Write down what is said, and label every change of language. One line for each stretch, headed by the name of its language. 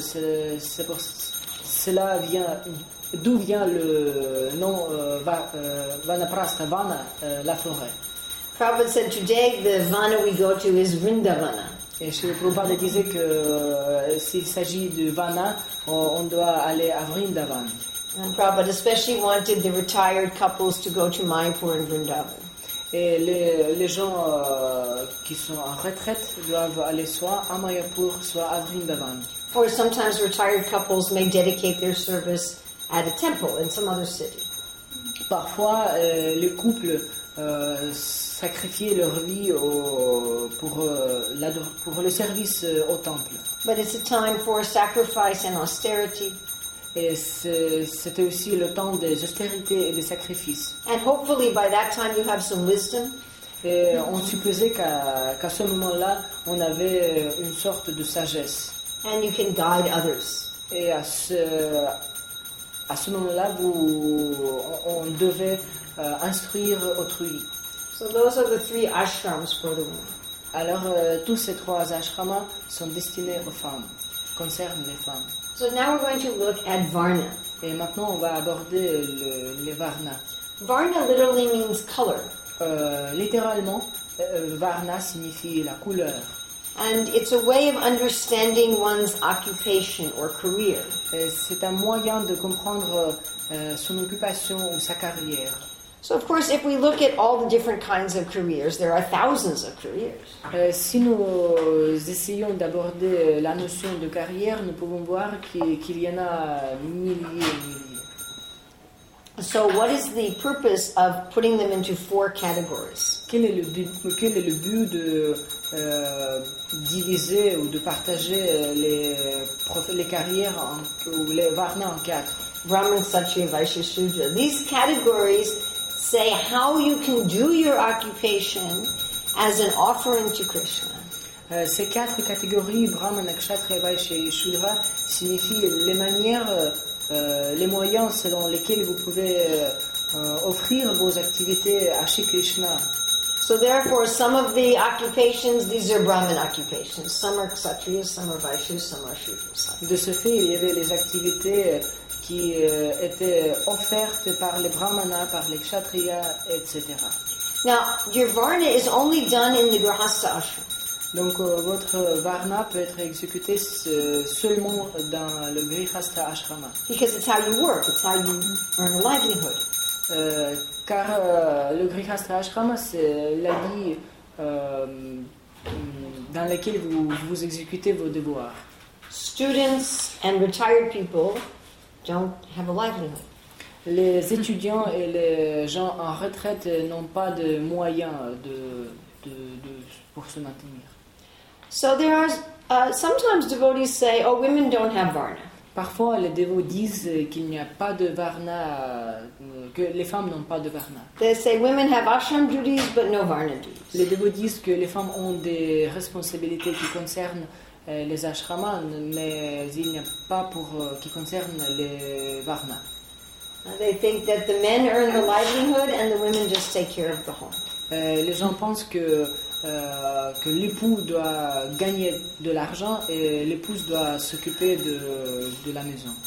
French: Cela vient d'où vient le nom vanaprastha vana, la forêt.
English: Prabhupada said, today the vana we go to is Vrindavana.
French: Et Srila Prabhupada disait que s'il s'agit de Vana, on doit aller à Vrindavan.
English: And Prabhupada especially wanted the retired couples to go to Mayapur and Vrindavan.
French: Et les gens qui sont en retraite doivent aller soit à Mayapur, soit à Vrindavan.
English: Or sometimes retired couples may dedicate their service at a temple in some other city.
French: Parfois, les couples sacrifient leur vie pour le service au temple.
English: But it's a time for sacrifice and austerity.
French: Et c'était aussi le temps des austérités et des sacrifices.
English: And hopefully by that time you have some wisdom.
French: Et on supposait qu'à ce moment-là, on avait une sorte de sagesse.
English: And you can guide others.
French: Et à ce moment-là, on devait instruire autrui.
English: So those are the three ashrams for the women.
French: Alors, tous ces trois ashramas sont destinés aux femmes, concernent les femmes.
English: So now we're going to look at varna.
French: Et maintenant, on va aborder les varna.
English: Varna literally means color.
French: Littéralement, varna signifie la couleur.
English: And it's a way of understanding one's occupation or career.
French: Et c'est un moyen de comprendre son occupation ou sa carrière.
English: So of course, if we look at all the different kinds of careers, there are thousands of careers.
French: Si nous essayons d'aborder la notion de carrière, nous pouvons voir qu'il y en a milliers et milliers.
English: So what is the purpose of putting them into four categories?
French: Quel est le but de diviser ou de partager les carrières ou les varnas en quatre?
English: Brahman, Kshatriya, Vaishya, Shudra. These categories say how you can do your occupation as an offering to Krishna.
French: Ces quatre catégories, Brahman, Kshatriya, Vaishya et Shudra, signifient les manières, les moyens selon lesquels vous pouvez offrir vos activités à Shri Krishna.
English: So therefore, some of the occupations, these are Brahman occupations. Some are Kshatriyas, some are Vaishyas, some are Shudras.
French: De ce fait, il y avait les activités qui étaient offertes par les Brahmanas, par les Kshatriyas, etc.
English: Now, your Varna is only done in the Grahastha Ashram.
French: Donc, votre Varna peut être exécuté seulement dans le Grihastha Ashram.
English: Because it's how you work, it's how you earn a livelihood.
French: Car le Grihastha Ashram, c'est la vie dans laquelle vous exécutez vos devoirs.
English: Students and retired people don't have a livelihood.
French: Les étudiants et les gens en retraite n'ont pas de moyens de pour se maintenir.
English: So there are sometimes devotees say, oh, women don't have varna.
French: Parfois, les dévots disent qu'il n'y a pas de varna, que les femmes n'ont pas de varna.
English: They say women have ashram duties but no varna duties.
French: Les dévots disent que les femmes ont des responsabilités qui concernent les ashramas, mais il n'y a pas pour qui concernent les varna.
English: They think that the men earn the livelihood and the women just take care of the home.
French: Les gens pensent que l'époux doit gagner de l'argent et l'épouse doit s'occuper de la maison.